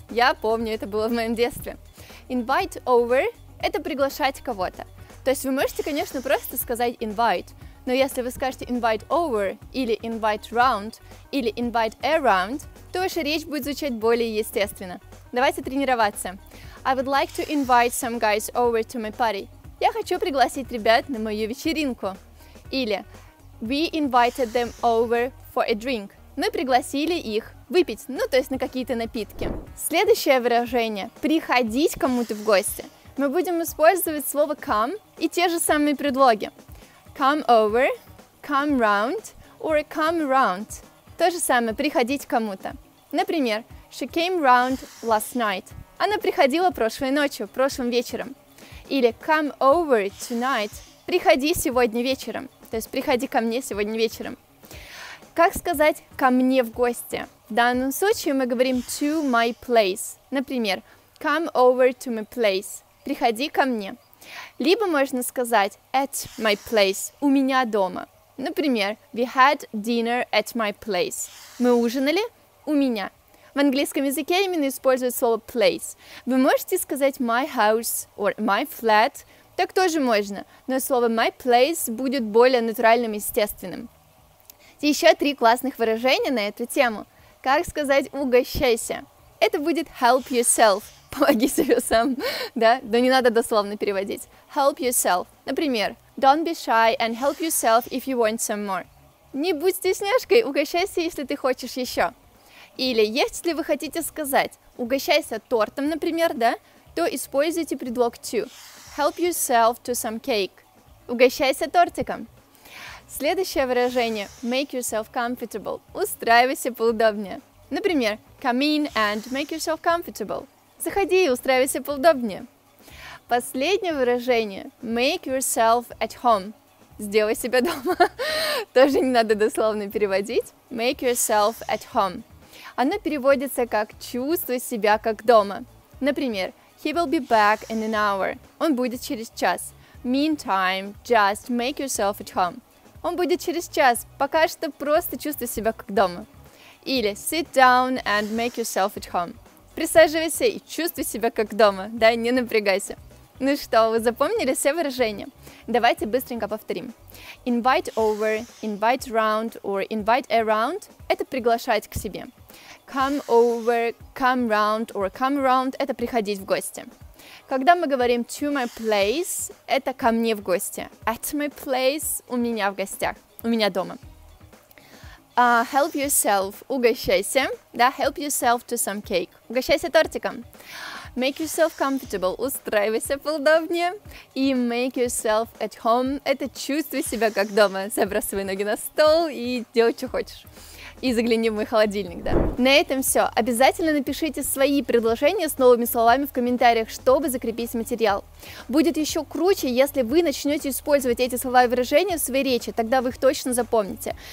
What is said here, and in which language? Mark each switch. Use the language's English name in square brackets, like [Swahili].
[Russian] Я помню, это было в моем детстве. [English] Invite over [Russian] – это приглашать кого-то. То есть вы можете, конечно, просто сказать invite, но если вы скажете [English] invite over [Russian] или [English] invite round [Russian] или [English] invite around, [Russian] то ваша речь будет звучать более естественно. Давайте тренироваться. [English] I would like to invite some guys over to my party. [Russian] Я хочу пригласить ребят на мою вечеринку. [English] Или we invited them over for a drink. [Russian] Мы пригласили их выпить, ну то есть на какие-то напитки. Следующее выражение – приходить кому-то в гости. Мы будем использовать слово come и те же самые предлоги. [English] Come over, come round or come round. [Russian] То же самое – приходить кому-то. [English] Например, she came round last night. [Russian] Она приходила прошлой ночью, прошлым вечером. Или [English] come over tonight, [Russian] приходи сегодня вечером, то есть приходи ко мне сегодня вечером. Как сказать ко мне в гости? В данном случае мы говорим [English] to my place, [Russian] например, [English] come over to my place, [Russian] приходи ко мне. Либо можно сказать at my place, у меня дома. [English] Например, we had dinner at my place, [Russian] мы ужинали у меня. В английском языке именно используют слово place. Вы можете сказать [English] my house or my flat, [Russian] так тоже можно, но слово [English] my place [Russian] будет более натуральным и естественным. Еще три классных выражения на эту тему. Как сказать угощайся? Это будет [English] help yourself, [Russian] помоги себе сам, да? Да не надо дословно переводить. [English] Help yourself. Например, don't be shy and help yourself if you want some more. [Russian] Не будь стесняшкой, угощайся, если ты хочешь еще. Или, если вы хотите сказать «угощайся тортом», например, да, то используйте предлог to. [English] Help yourself to some cake. [Russian] Угощайся тортиком. Следующее выражение [English] «make yourself comfortable». [Russian] Устраивайся поудобнее. [English] Например, come in and make yourself comfortable. [Russian] Заходи и устраивайся поудобнее. Последнее выражение [English] «make yourself at home». [Russian] Сделай себя дома. Тоже не надо дословно переводить. [English] Make yourself at home. [Russian] Оно переводится как «чувствуй себя как дома». [English] Например, he will be back in an hour. [Russian] Он будет через час. [English] Meantime, just make yourself at home. [Russian] Он будет через час. Пока что просто чувствуй себя как дома. [English] Или sit down and make yourself at home. [Russian] Присаживайся и чувствуй себя как дома. Да, не напрягайся. Ну что, вы запомнили все выражения? Давайте быстренько повторим. [English] Invite over, invite round or invite around – [Russian] это приглашать к себе. [English] Come over, come round or come round – [Russian] это приходить в гости. Когда мы говорим [English] to my place [Russian] – это ко мне в гости. [English] At my place [Russian] – у меня в гостях, у меня дома. [English] Help yourself – [Russian] угощайся. [English] Да, help yourself to some cake – [Russian] угощайся тортиком. [English] Make yourself comfortable – [Russian] устраивайся поудобнее. И [English] make yourself at home [Russian] – это чувствуй себя как дома. Забрасывай ноги на стол и делай, что хочешь. И загляни в мой холодильник, да. На этом все. Обязательно напишите свои предложения с новыми словами в комментариях, чтобы закрепить материал. Будет еще круче, если вы начнете использовать эти слова и выражения в своей речи, тогда вы их точно запомните.